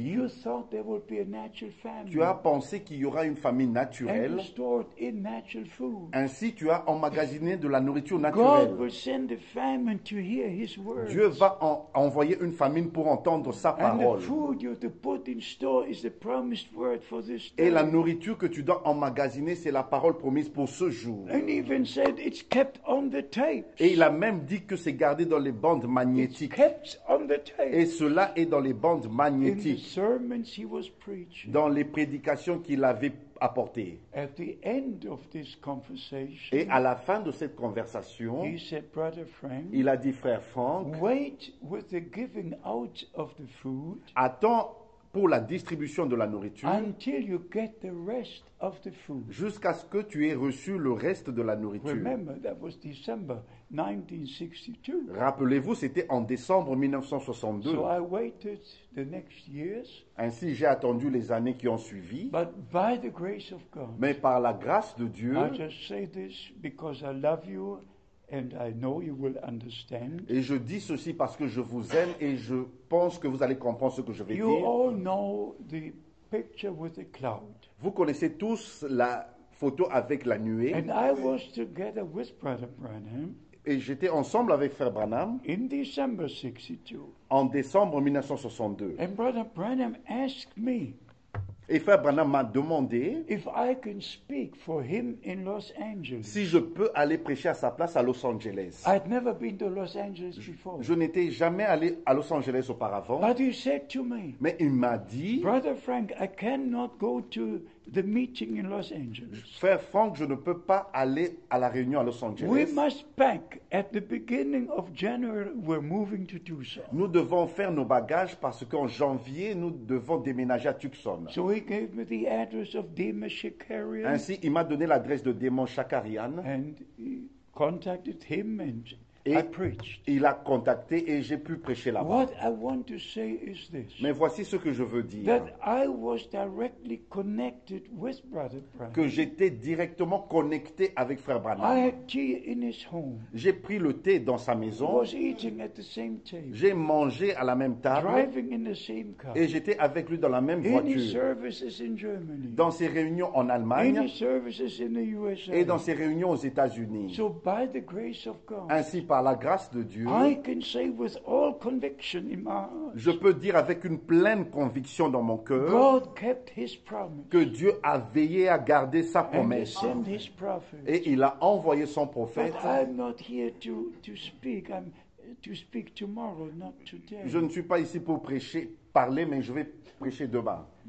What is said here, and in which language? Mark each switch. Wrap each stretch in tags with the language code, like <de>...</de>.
<en>You thought there would be a natural family.</en> <fr>Tu as pensé qu'il y aura une famille naturelle.</fr> <en>And you stored in natural food.</en> <fr>Ainsi, tu as emmagasiné de la nourriture naturelle.</fr> <en>God will send the famine to hear his words.</en> <fr>Dieu va envoyer une famine pour entendre sa parole. Et la nourriture que tu dois emmagasiner, c'est la parole promise pour ce jour.</fr> <en>And even said it's kept on the tapes.</en> <fr>Et il a même dit que c'est gardé dans les bandes magnétiques.</fr> <en>It's kept on the tapes.</en> <fr>Et cela est dans les bandes magnétiques.</fr> <en>In the sermons he was preaching.</en> <fr>Dans les prédications qu'il avait apportées.</fr> <en>At the end of this conversation,</en> <fr>et à la fin de cette conversation,</fr> <en>he said, Brother Frank,</en> <fr>il a dit, frère Frank,</fr> <en>wait with the giving out of the food.</en> <fr>Attends pour la distribution de la nourriture.</fr> <en>Until you get the rest of the food.</en> <fr>Jusqu'à ce que tu aies reçu le reste de la nourriture.</fr> <en>Remember, that was December 1962.</en> <fr>Rappelez-vous, c'était en décembre 1962.</fr> <en>So I waited the next years.</en> <fr>Ainsi, j'ai attendu les années qui ont suivi.</fr> <en>But by the grace of God,</en> <fr>mais par la grâce de Dieu,</fr> <en>I just say this because I love you. And I know you will understand.</en> <fr>Et je dis ceci parce que je vous aime et je pense que vous allez comprendre ce que je vais</fr> <en>you</en> <fr>dire.</fr> <en>All know the picture with the cloud.</en> <fr>Vous connaissez tous la photo avec la nuée.</fr> <en>And I was together with Brother Branham.</en> <fr>Et j'étais ensemble avec Frère Branham</fr> <en>in December 62.</en> <fr>En décembre 1962.</fr> <en>And Brother Branham asked me.</en> <fr>Et Frère Branham m'a demandé</fr> <en>if I can speak for him in Los Angeles.</en> <fr>Si je peux aller prêcher à sa place à Los Angeles.</fr> <en>I'd never been to Los Angeles before.</en> <fr>Je n'étais jamais allé à Los Angeles auparavant.</fr> <en>But he said to me,</en> <fr>mais il m'a dit,</fr> <en>Brother Frank, I cannot go to the meeting in Los Angeles.</en> <fr>Frère Frank, je ne peux pas aller à la réunion à Los Angeles.</fr> <en>We must pack at the beginning of January. We're moving to Tucson.</en> <fr>Nous devons faire nos bagages parce qu'en janvier nous devons déménager à Tucson.</fr> <en>So he gave me the address of Dima Shakarian.</en> <fr>Ainsi, il m'a donné l'adresse de Dima Shakarian.</fr> <en>And he contacted him and</en> <fr>et</fr> <en>I preached.</en> <fr>Il a contacté et j'ai pu prêcher là-bas.</fr> <en>What I want to say is this,</en> <fr>mais voici ce que je veux dire.</fr> <en>That I was directly connected with Brother Branham.</en> <fr>Que j'étais directement connecté avec Frère Branham.</fr> <en>I had tea in his home.</en> <fr>J'ai pris le thé dans sa maison.</fr> <en>Was eating at the same table.</en> <fr>J'ai mangé à la même table.</fr> <en>Driving in the same car.</en> <fr>Et j'étais avec lui dans la même</fr> <en>in</en> <fr>voiture.</fr> <en>His services in Germany.</en> <fr>Dans ses réunions en Allemagne.</fr> <en>In his services in the USA.</en> <fr>Et dans ses réunions aux États-Unis.</fr> <en>So by the grace of God,</en> <fr>ainsi, par la grâce de Dieu,</fr> <en>I can say with all conviction in my heart,</en> <fr>je peux dire avec une pleine conviction dans mon cœur</fr> <en>God kept his promise,</en> <fr>que Dieu a veillé à garder sa promesse</fr> <en>and he sent his prophet,</en> <fr>et il a envoyé son prophète.</fr> <en>But I'm not here to speak. I'm to speak tomorrow, not today.</en> <fr>Je ne suis pas ici pour prêcher, parler, mais je vais prêcher demain.</fr>